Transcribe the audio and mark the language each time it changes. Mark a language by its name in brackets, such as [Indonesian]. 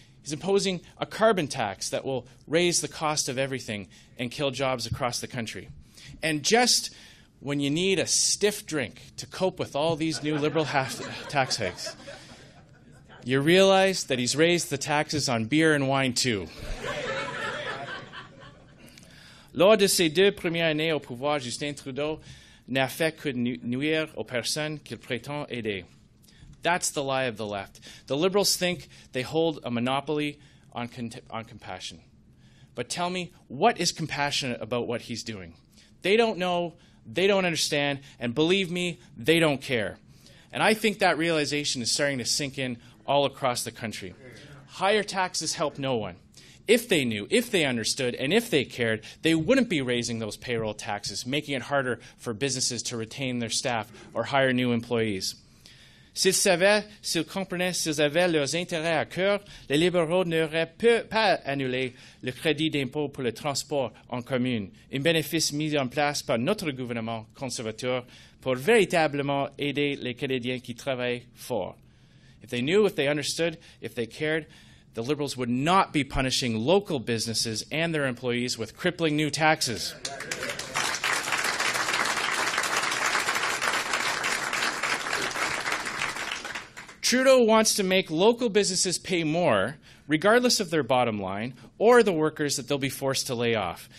[English] He's imposing a carbon tax that will raise the cost of everything and kill jobs across the country. And just when you need a stiff drink to cope with all these new Liberal tax hikes, you realize that he's raised the taxes on beer and wine too. [French] Lors de ses deux premières années au pouvoir, Justin Trudeau n'a fait que nuire aux personnes qu'il prétend aider. [English] That's the lie of the left. The Liberals think they hold a monopoly on compassion. But tell me, what is compassionate about what he's doing? They don't know, they don't understand, and believe me, they don't care. And I think that realization is starting to sink in all across the country. Higher taxes help no one. If they knew, if they understood, and if they cared, they wouldn't be raising those payroll taxes, making it harder for businesses to retain their staff or hire new employees. [French] S'ils savaient, s'ils comprenaient, s'ils avaient leurs intérêts à cœur, les libéraux n'auraient pas annulé le crédit d'impôt pour le transport en commun, un bénéfice mis en place par notre gouvernement conservateur pour véritablement aider les Canadiens qui travaillent fort. [English] If they knew, if they understood, if they cared, the Liberals would not be punishing local businesses and their employees with crippling new taxes. Trudeau wants to make local businesses pay more, regardless of their bottom line, or the workers that they'll be forced to lay off.